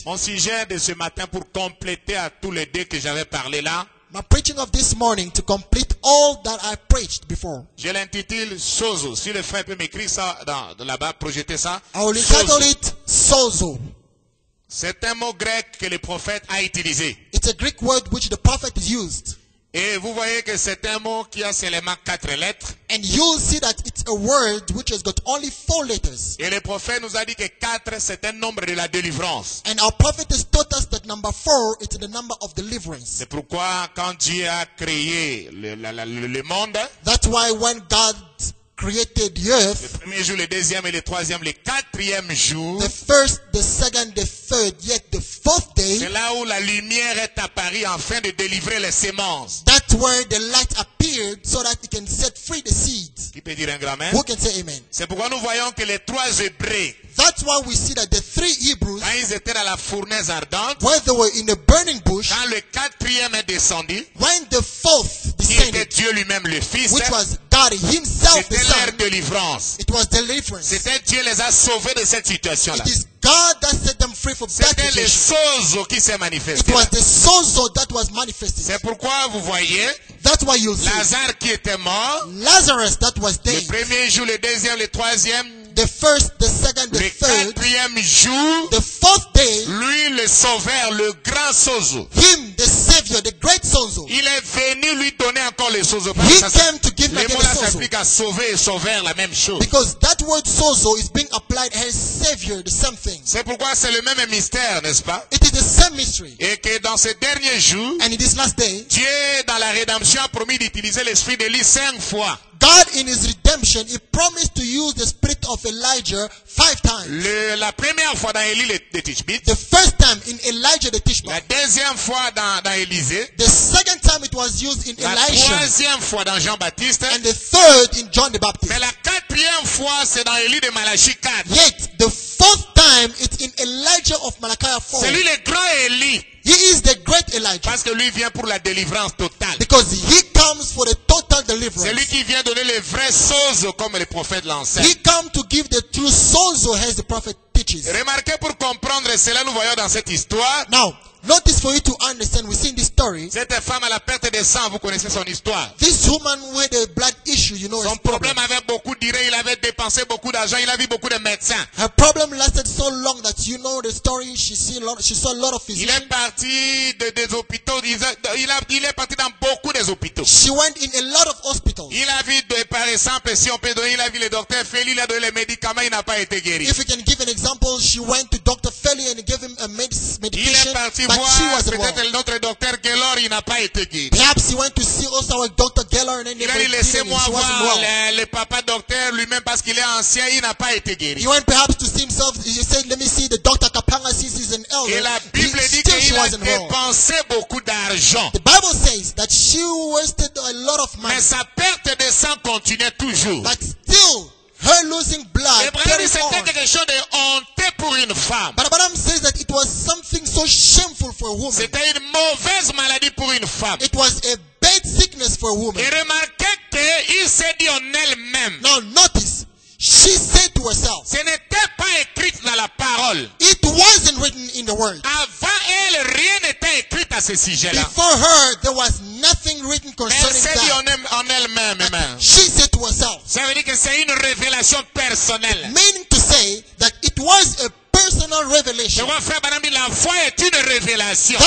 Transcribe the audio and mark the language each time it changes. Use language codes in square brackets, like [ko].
[fr] Mon sujet de ce matin pour compléter à tous les deux que j'avais parlé là. [en] My preaching of this morning to complete all that I preached before. [fr] Je l'intitule Sozo. Si le frère peut m'écrire ça dans là-bas, projeter ça. [en] I will entitle it Sozo. [fr] C'est un mot grec que le prophète a utilisé. [en] It's a Greek word which the prophet used. [fr] Et vous voyez que c'est un mot qui a seulement quatre lettres. [en] And you see that it's a word which has got only four letters. [fr] Et le prophète nous a dit que quatre c'est un nombre de la délivrance. [en] And our prophet has taught us that number four is the number of deliverance. [fr] C'est pourquoi quand Dieu a créé le monde. [en] That's why when God created the earth. [fr] Le premier jour, le deuxième et le troisième, le quatrième jour. [en] The first, the second, the third, yet the fourth day. [fr] C'est là où la lumière est apparue afin de délivrer les semences. [en] That's word, the light appeared so that it can set free the seeds. [fr] Qui peut dire un grand amen? [en] Who can say amen? [fr] C'est pourquoi nous voyons que les trois Hébreux, [en] that's why we see that the three Hebrews, [fr] quand ils étaient dans la fournaise ardente, [en] when they were in the burning bush, [fr] quand le quatrième est descendu, [en] when the fourth descended, [fr] qui était Dieu lui-même le Fils, [en] which was God himself, [fr] c'était [en] the [fr] leur délivrance. [en] It was deliverance. [fr] C'était Dieu les a sauvés de cette situation-là. [en] It is God that set them free from [fr] c'était [en] that situation. [fr] Le sozo qui s'est manifesté. [en] It was the sozo that was manifested. [fr] C'est pourquoi vous voyez, [en] that's why you'll see, [fr] Lazare qui était mort, [en] Lazarus that was dead, [fr] le premier jour, le deuxième, le troisième, [en] the first, the second, the [fr] le [en] third, [fr] quatrième jour, [en] the fourth day, [fr] lui le sauveur, le grand sozo, [en] him, the savior, the great sozo, [fr] il est venu lui donner encore le sozo. [en] He came to give [fr] les [en] again [fr] mots [en] the sozo. [fr] S'applique à sauver et sauveur, la même chose. [en] Because that word sozo is being applied as savior, the same thing. [fr] C'est pourquoi c'est le même mystère, n'est-ce pas? [en] It is the same mystery. [fr] Et que dans ces derniers jours, [en] and in this last day, [fr] Dieu dans la rédemption a promis d'utiliser l'esprit d'Élie cinq fois. [en] God in his redemption, he promised to use the spirit of Elijah five times. [fr] La première fois dans Élie le Tishbite. [en] The first time in Elijah the Tishbite. [fr] La deuxième fois dans Élisée. [en] The second time it was used in Elijah. [fr] La troisième fois dans Jean-Baptiste. [en] And the third in John the Baptist. [fr] Mais la quatrième fois, c'est dans Élie de Malachie 4. [en] Yet, the fourth time it's in Elijah of Malachi 4. [fr] C'est lui le grand Élie. [en] He is the great Elijah. [fr] Parce que lui vient pour la délivrance totale. [en] Because he comes for the total deliverance. [fr] C'est lui qui vient donner le vrai sozo comme le prophète l'enseigne. [en] He comes to give the true sozo as the prophet teaches. [fr] Remarquez pour comprendre cela, nous voyons dans cette histoire. [en] Now, notice for you to understand, we see in this story. [fr] Cette femme à la perte de sang, vous connaissez son histoire. [en] This woman with a blood issue, you know. [fr] Son problème avait beaucoup duré, il avait dépensé beaucoup d'argent, il a vu beaucoup de médecins. [en] Her problem lasted so long that you know the story. She saw a lot of physicians. [fr] Il est parti des hôpitaux. Il est parti dans beaucoup des hôpitaux. [en] She went in a lot of hospitals. [fr] Il a vu des paresans, si on peut donner, il a vu les docteurs Feli, il a donné les médicaments, il n'a pas été guéri. [en] If we can give an example, she went to Dr. Feli and gave him a medication. [fr] Gellor, il n'a pas été guéri. [en] Perhaps he went to see also our doctor Gellor and then [fr] il a laissez-moi voir le papa docteur lui-même parce qu'il est ancien, il n'a pas été guéri. [en] He went perhaps to see himself. He said, "Let me see the doctor Kapanga since he's an elder." [fr] Et la Bible dit qu'il a dépensé beaucoup d'argent. [en] The Bible says that she wasted a lot of money. [fr] Mais sa perte de sang continuait toujours. [en] But still, her losing blood. But Abraham says that it was something so shameful for a woman. [fr] C'était une mauvaise maladie pour une femme. [en] It was a bad sickness for a woman. [fr] Et remarquez que il s'est dit en elle-même. [en] Now notice, she said to herself. [fr] Ce n'était pas écrit dans la parole. [en] It wasn't written in the word. [fr] Avant elle, rien n'était écrit à ce sujet-là. [en] Before her, there was nothing written concerning [fr] elle [en] that. [fr] Elle s'est dit en elle-même, amen. [en] She said to herself. [fr] Ça veut dire que c'est une révélation personnelle. [en] Meaning to say that it was a personal revelation. [fr] Je vois, Branham, la foi est une révélation.